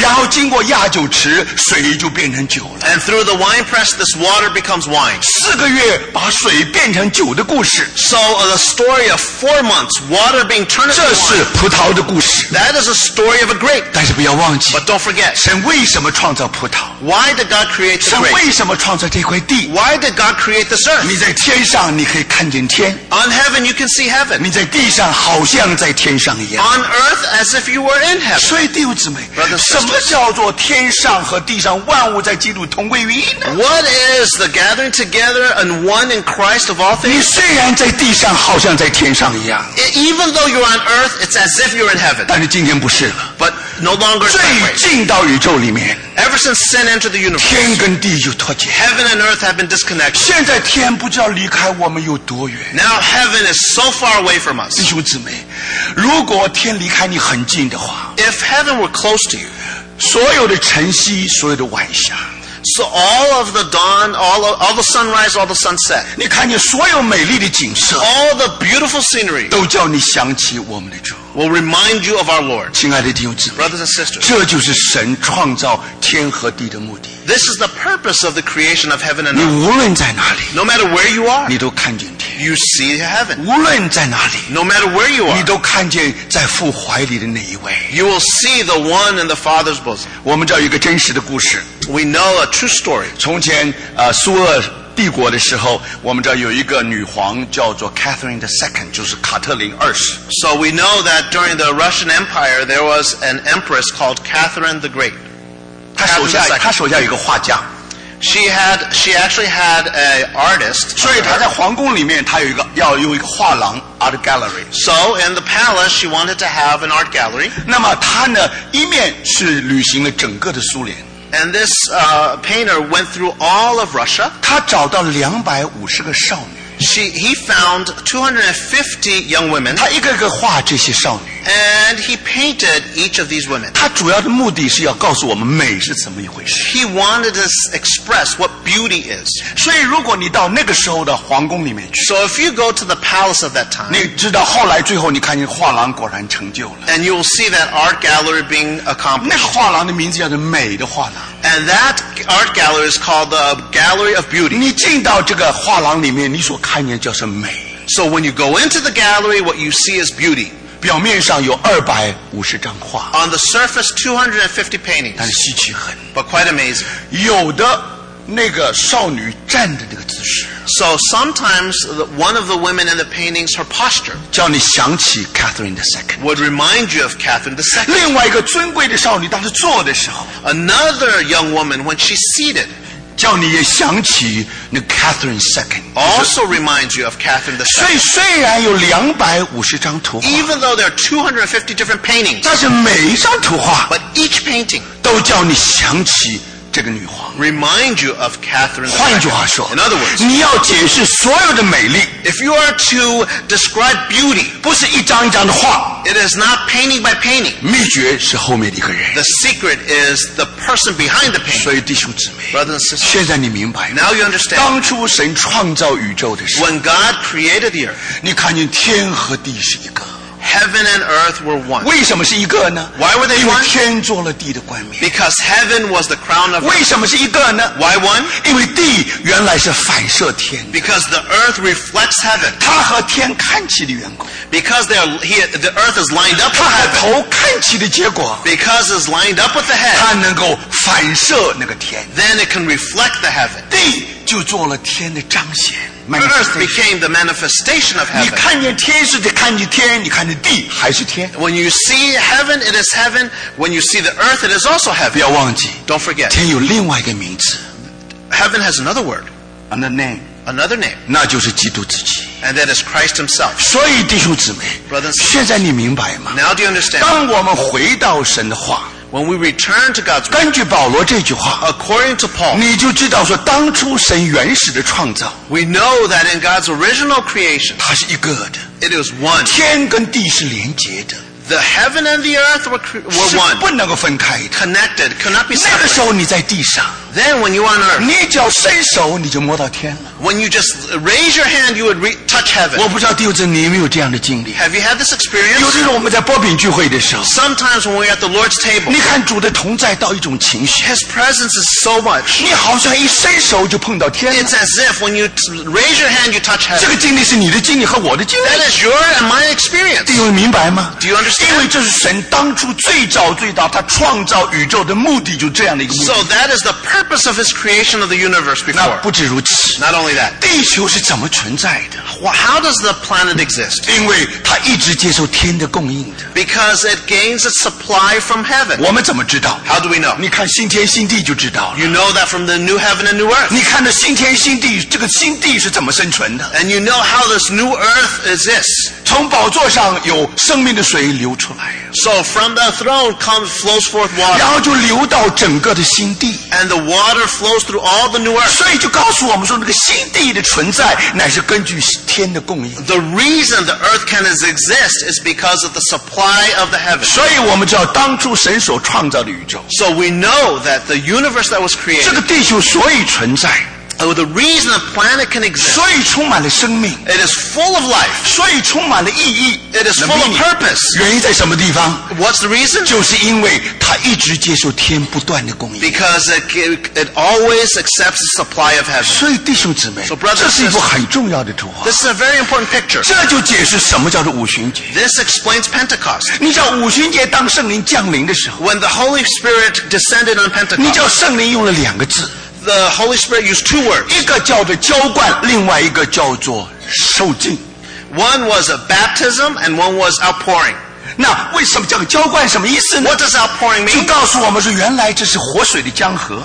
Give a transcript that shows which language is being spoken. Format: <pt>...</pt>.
<zh>然后经过压酒池，水就变成酒了。</zh> <en>And through the wine press, this water becomes wine.</en> <zh>四个月把水变成酒的故事。</zh> <en>So the story of 4 months, water being turned into wine.</en> <zh>这是葡萄的故事。</zh> <en>That is a story of a grape.</en> <zh>但是不要忘记。</zh> <en>But don't forget.</en> <zh>神为什么创造葡萄？</zh> <en>Why did God create the grape?</en> <zh>神为什么创造这块地？</zh> <en>Why did God create this earth?</en> <zh>你在天上。你可以看见天。</zh> <en>On heaven, you can see heaven.</en> <zh>你在地上好像在天上一样。</zh> <en>On earth, as if you were in heaven.</en> <zh>所以弟兄姊妹，什么叫做天上和地上万物在基督同归于一呢？</zh> <en>What is the gathering together and one in Christ of all things?</en> <zh>你虽然在地上好像在天上一样。</zh> <en>Even though you're on earth, it's as if you're in heaven.</en> <zh>但是今天不是了。</zh> <en>But no longer.</en> <zh>最近到宇宙里面。</zh> <en>Ever since sin entered the universe,</en> <zh>天跟地就脱节。</zh> <en>Heaven and earth have been disconnected.</en> <zh>现在天不知道离开我们有多远。</zh> <en>Now heaven is so far away from us.</en> <zh>弟兄姊妹，如果天离开你很近的话</zh> <en>，If heaven were close to you,</en> <zh>所有的晨曦，所有的晚霞。</zh> <en>So all of the dawn, all the sunrise, all the sunset.</en> <zh>你看见所有美丽的景色</zh> <en>，all the beautiful scenery，</en> <zh>都叫你想起我们的主。</zh> <en>Will remind you of our Lord.</en> <zh>亲爱的弟兄姊妹</zh> <en>，brothers and sisters，</en> <zh>这就是神创造天和地的目的。</zh> <en>This is the purpose of the creation of heaven and earth.</en> <zh>你无论在哪里</zh> <en>，no matter where you are，</en> <zh>你都看见天。</zh> <en>You see heaven.</en> <zh>无论在哪里</zh> <en>，no matter where you are，</en> <zh>你都看见在父怀里的那一位。</zh> <en>You will see the one in the Father's bosom.</en> <zh>我们知道一个真实的故事。</zh> <en>We know a true story.</en> <zh>从前，苏俄帝国的时候，我们知道有一个女皇叫做 Catherine the Second， 就是卡特琳二世。</zh> <en>So we know that during the Russian Empire, there was an empress called Catherine the Great.</en> <zh>她手下有一个画家。</zh> <en>She actually had an artist.</en> <zh>所以她在皇宫里面，她有一个要有一个画廊</zh> <en>art gallery. So in the palace, she wanted to have an art gallery.</en> <zh>那么她呢，一面是旅行了整个的苏联。</zh> <en>And this painter went through all of Russia.</en> <zh>他找到250个少女。</zh> <en>He found 250 young women.</en> <zh>他一个一个画这些少女。</zh> <en>And he painted each of these women.</en> <zh>他主要的目的是要告诉我们美是怎么一回事。</zh> <en>He wanted to express what beauty is.</en> <zh>所以如果你到那个时候的皇宫里面去。</zh> <en>So if you go to the palace of that time.</en> <zh>你知道后来最后你看见画廊果然成就了。</zh> <en>And you'll see that art gallery being accomplished.</en> <zh>那个画廊的名字叫做美的画廊。</zh> <en>And that art gallery is called the Gallery of Beauty.</en> <zh>你进到这个画廊里面，你所看见就是美。</zh> <en>So when you go into the gallery, what you see is beauty.</en> <zh>表面上有250张画</zh> <en>On the surface 250 paintings</en> <zh>但是稀奇很</zh> <en>But quite amazing</en> <zh>有的那个少女站的那个姿势</zh> <en>So sometimes one of the women in the paintings her posture</en> <zh>叫你想起 Catherine II</zh> <en>Would remind you of Catherine II</en> <zh>另外一个尊贵的少女当时坐的时候</zh> <en>Another young woman when she's seated</en> <zh>叫你也想起那 Catherine II</zh> <en>Also reminds you of Catherine II.</en> <zh>所以虽然有250张图画</zh> <en>Even though there are 250 different paintings</en> <zh>但是每一张图画</zh> <en>But each painting</en> <zh>都叫你想起这个女皇</zh> <en>Remind you of Catherine II.</en> <zh>换句话说</zh> <en>In other words</en> <zh>你要解释所有的美丽</zh> <en>If you are to describe beauty</en> <zh>不是一张一张的画</zh> <en>It is not painting by painting</en> <zh>秘诀是后面的一个人</zh> <en>The secret is the person behind the painting</en> <zh>所以弟兄姊妹</zh> <en>Brothers and sisters</en> <zh>现在你明白</zh> <en>Now you understand</en> <zh>当初神创造宇宙的时候</zh> <en>When God created the earth</en> <zh>你看见天和地是一个</zh> <en>Heaven and earth were one.</en> <zh>为什么是一个呢</zh> <en>Why were they one?</en> <zh>因为天做了地的冠冕</zh> <en>Because heaven was the crown of earth.</en> <zh>为什么是一个呢</zh> <en>Why one?</en> <zh>因为地原来是反射天</zh> <en>Because the earth reflects heaven.</en> <zh>它和天看齐的缘故</zh> <en>Because the earth is lined up with heaven.</en> <zh>它和头看齐的结果</zh> <en>Because it's lined up with the head.</en> <zh>它能够反射那个天</zh> <en>Then it can reflect the heaven.</en> <zh>地就做了天的彰显</zh> <en>Earth became the manifestation of heaven.</en> <zh>你看见天是得看见天，你看见地还是天。</zh> <en>When you see heaven, it is heaven. When you see the earth, it is also heaven.</en> <zh>不要忘记</zh> <en>Don't forget.</en> <zh>天有另外一个名字</zh> <en>Heaven has another word. Another name. Another name.</en> <zh>那就是基督自己</zh> <en>And that is Christ himself.</en> <zh>所以弟兄姊妹</zh> <en>Brothers and sisters.</en> <zh>现在你明白吗</zh> <en>Now do you understand?</en> <zh>当我们回到神的话</zh> <en>When we return to God's word,</en> <zh>根据保罗这句话</zh> <en>according to Paul,</en> <zh>你就知道说当初神原始的创造</zh> <en>we know that in God's original creation,</en> <zh>它是一个的</zh> <en>it is one.</en> <zh>天跟地是连接的</zh> <en>the heaven and the earth were one.</en> <zh>是不能够分开的</zh> <en>connected, could not be separated.</en> <zh>那个时候你在地上</zh> <en>then when you are on earth,</en> <zh>你只要伸手你就摸到天了</zh> <en>when you just raise your hand, you would touch heaven.</en> <zh>我不知道弟兄姊妹你有没有这样的经历</zh> <en>Have you had this experience?</en> <zh>有的时候我们在擘饼聚会的时候</zh> <en>Sometimes when we're at the Lord's table,</en> <zh>你看主的同在到一种情绪</zh> <en>His presence is so much.</en> <zh>你好像一伸手就碰到天了</zh> <en>It's as if when you raise your hand, you touch heaven.</en> <zh>这个经历是你的经历和我的经历</zh> <en>That is your and my experience.</en> <zh>弟兄明白吗</zh> <en>Do you understand?</en> <zh>因为这是神当初最早最大他创造宇宙的目的就这样的一个目的</zh> <en>So that is the purpose of his creation of the universe before.</en> <zh>那不止如此</zh> <en>Not only that.</en> <zh>地球是怎么存在的</zh> <en>Why? How does the planet exist?</en> <zh>因为它一直接受天的供应的。</zh> <en>Because it gains its supply from heaven.</en> <zh>我们怎么知道？</zh> <en>How do we know?</en> <zh>你看新天新地就知道了。</zh> <en>You know that from the new heaven and new earth.</en> <zh>你看这新天新地，这个新地是怎么生存的？</zh> <en>And you know how this new earth exists.</en> <zh>从宝座上有生命的水流出来。</zh> <en>So from the throne flows forth water.</en> <zh>然后就流到整个的新地。</zh> <en>And the water flows through all the new earth.</en> <zh>所以就告诉我们说，那个新地的存在乃是根据天。</zh> <en>The reason the earth can exist is because of the supply of the heaven.</en> <zh>所以我们知道当初神所创造的宇宙。</zh> <en>So we know that the universe that was created.</en> <zh>这个地球所以存在。</zh> <en>Oh, the reason the planet can exist.</en> <zh>所以充满了生命。</zh> <en>It is full of life.</en> <zh>所以充满了意义。</zh> <en>It is full of purpose.</en> <zh>原因在什么地方？</zh> <en>What's the reason?</en> <zh>就是因为它一直接受天不断的供应。</zh> <en>Because it always accepts the supply of heaven.</en> <zh>所以弟兄姊妹，</zh> <en>so、brothers,</en> <zh>这是一幅很重要的图画。</zh> <en>This is a very important picture.</en> <zh>这就解释什么叫做五旬节。</zh> <en>This explains Pentecost.</en> <zh>你知道五旬节当圣灵降临的时候，</zh> <en>When the Holy Spirit descended on Pentecost.</en> <zh>你知道圣灵用了两个字。</zh> <en>The Holy Spirit used two words.</en> <zh>一个叫做浇灌，另外一个叫做受浸。</zh> <en>One was a baptism, and one was outpouring.</en> <zh>那为什么叫浇灌？什么意思呢</zh> <en>？What does outpouring mean?</en> <zh>就告诉我们说，原来这是活水的江河。</zh>